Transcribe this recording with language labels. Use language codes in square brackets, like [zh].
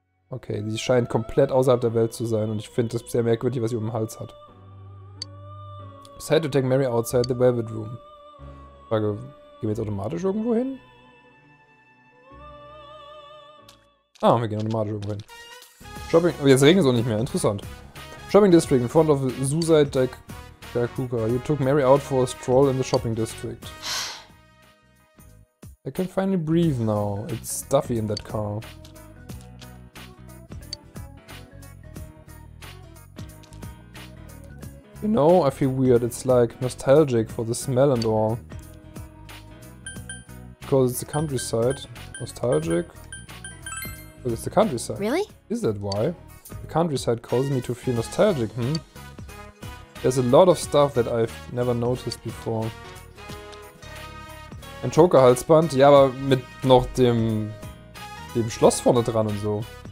[de] Okay, sie scheint komplett außerhalb der Welt zu sein und ich finde es sehr merkwürdig, was sie um den Hals hat. [en] Decide to take Mary outside the Velvet Room. [de] Frage, gehen wir jetzt automatisch irgendwo hin? Ah, wir gehen automatisch irgendwo hin. Shopping, jetzt regnet es auch nicht mehr, interessant. [en] Shopping District in front of Suicide Deck Gakuka. You took Mary out for a stroll in the Shopping District. I can finally breathe now. It's stuffy in that car. You know, I feel weird. It's like nostalgic for the smell and all. Because it's the countryside. Nostalgic. But it's the countryside. Really? Is that why? The countryside causes me to feel nostalgic, hmm? There's a lot of stuff that I've never noticed before. [de] Ein Joker-Halsband? Ja, aber mit noch dem Schloss vorne dran und so.